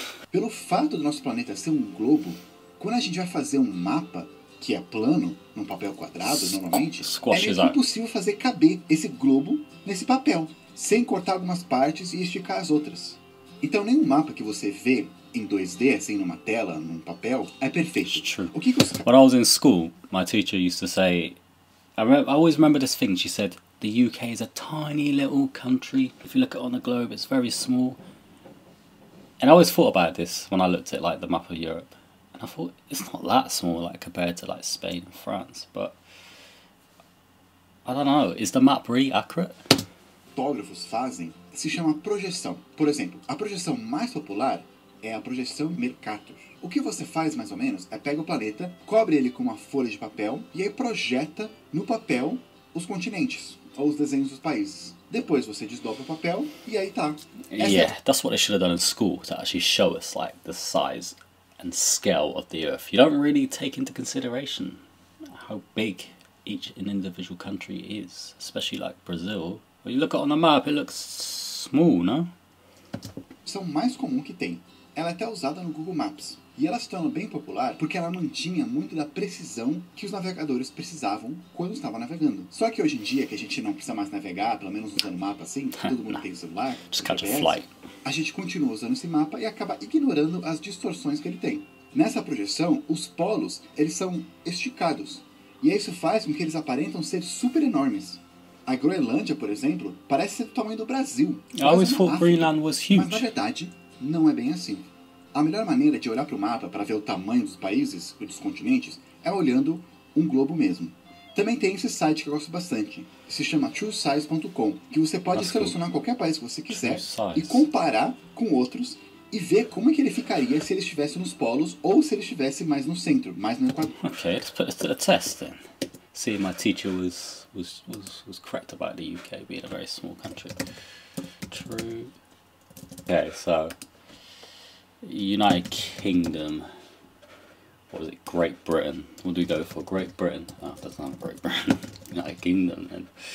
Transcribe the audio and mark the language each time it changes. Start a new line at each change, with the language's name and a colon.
Portuguese: Pelo fato do nosso planeta ser um globo, quando a gente vai fazer um mapa que é plano, num papel quadrado, normalmente, é impossível fazer caber esse globo nesse papel, sem cortar algumas partes e esticar as outras. Então, nenhum mapa que você vê em 2D, assim, numa tela, num papel, é perfeito.
English: It's true. When I was in school, my teacher used to say, I always remember this thing, she said, the UK is a tiny little country. If you look at it on the globe, it's very small. And I always thought about this when I looked at like the map of Europe. And I thought, it's not that small like compared to like Spain and France. But I don't know, is the map really accurate?
Portuguese: Fotógrafos fazem, se chama projeção. Por exemplo, a projeção mais popular é a projeção Mercator. O que você faz, mais ou menos, é pega o planeta, cobre ele com uma folha de papel e aí projeta no papel os continentes. Ou os desenhos dos países. Depois você desdobra o papel e aí tá.
English: Essa yeah, that's what they should have done in school, to actually show us like the size and scale of the Earth. You don't really take into consideration how big each individual country is, especially like Brazil. When you look on the map, it looks small, no?
Portuguese: São mais comum que tem. Ela é até usada no Google Maps. E ela se tornou bem popular porque ela mantinha muito da precisão que os navegadores precisavam quando estavam navegando. Só que hoje em dia, que a gente não precisa mais navegar, pelo menos usando mapa assim, todo mundo tem o celular, a gente continua usando esse mapa e acaba ignorando as distorções que ele tem. Nessa projeção, os polos, eles são esticados. E isso faz com que eles aparentam ser super enormes. A Groenlândia, por exemplo, parece ser do tamanho do Brasil.
English: I always thought Greenland was huge.
Portuguese: Mas na verdade, não é bem assim. A melhor maneira de olhar para o mapa para ver o tamanho dos países e dos continentes é olhando um globo mesmo. Também tem esse site que eu gosto bastante. Se chama truesize.com, que você pode selecionar qualquer país que você quiser e comparar com outros e ver como é que ele ficaria se ele estivesse nos polos ou se ele estivesse mais no centro, mais no equador.
English: Ok, let's put a test then. See, my teacher was correct about the UK being a very small country. True. Okay, so... United Kingdom, what is it, Great Britain, what do we go for, Great Britain, oh, that's not Great Britain, United Kingdom, then.